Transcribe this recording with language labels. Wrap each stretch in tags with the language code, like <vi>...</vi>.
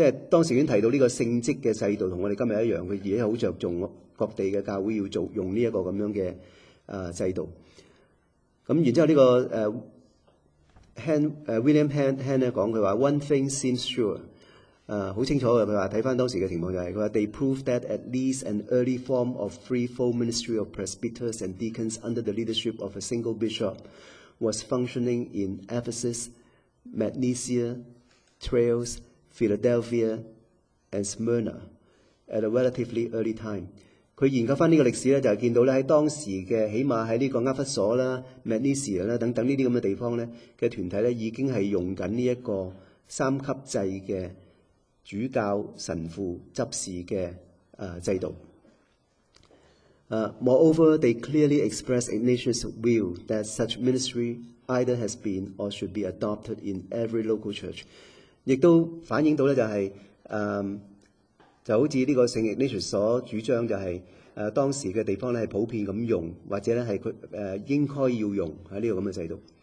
<zh>当时已经提到这个圣职的制度跟我们今天一样，他也很着重各地的教会要做用这个这样的制度。然后这个William Hand 说，他说</zh> <en>One thing seems sure，</en> <zh>很清楚的，他说看回当时的情况，就是他说</zh> <en>They proved that at least an early form of threefold ministry of presbyters and deacons under the leadership of a single bishop was functioning in Ephesus, Magnesia, Trails, Philadelphia, and Smyrna at a relatively early time。</en> <zh>他研究这个历史呢，就是看到在当时的起码在这个阿弗所啦、Magnesia 啦等等这些地方呢的团体呢，已经是用这一个三级制的主教神父執事的制度。</zh> <en>Moreover, they clearly express Ignatius' will that such ministry either has been or should be adopted in every local church.</en> <zh>亦都反映到呢，就是就好像这个圣 Ignatius 所主张，就是当时的地方是普遍地用，或者是应该要用这个制度。</zh>